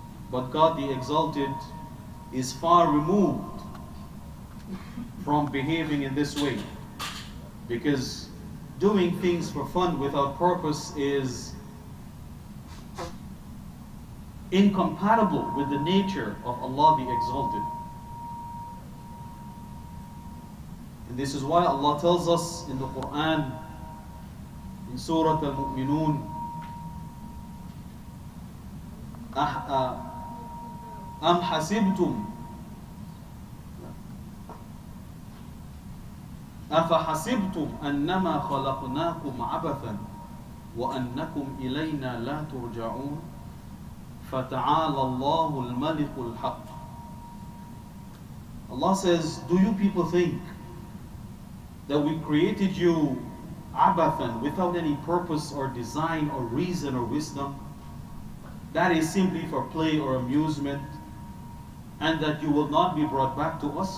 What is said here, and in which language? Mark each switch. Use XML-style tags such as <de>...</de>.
<en>But God the Exalted is far removed from behaving in this way. Because doing things for fun without purpose is incompatible with the nature of Allah the Exalted. And this is why Allah tells us in the Qur'an, in Surah Al-Mu'minun,</en> <ar>أَمْ حَسِبْتُمْ أَفَحَسِبْتُمْ أَنَّمَا خَلَقْنَاكُمْ عَبَثًا وَأَنَّكُمْ إِلَيْنَا لَا تُرْجَعُونَ فَتَعَالَ اللَّهُ الْمَلِكُ الْحَقِّ.</ar> <en>Allah says, do you people think that we created you abathan, without any purpose or design or reason or wisdom, that is simply for play or amusement, and that you will not be brought back to us?</en>